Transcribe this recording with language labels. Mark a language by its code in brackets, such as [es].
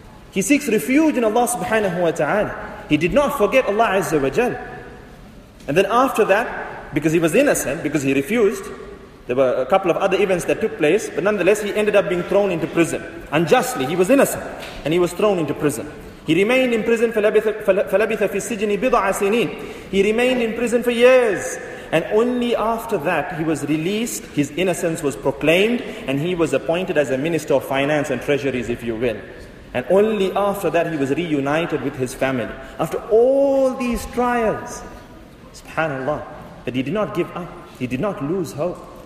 [en] He seeks refuge in Allah subhanahu wa ta'ala. He did not forget Allah azza wa jal. And then after that, because he was innocent, because he refused, there were a couple of other events that took place, but nonetheless, he ended up being thrown into prison. Unjustly, he was innocent, and he was thrown into prison. He remained in prison [ar] فَلَبِثَ فِي السِّجْنِ بِضَعَ سِنِينَ. [en] He remained in prison for years. And only after that he was released, his innocence was proclaimed, and he was appointed as a minister of finance and treasuries, if you will. And only after that he was reunited with his family. After all these trials, subhanAllah, that he did not give up, he did not lose hope.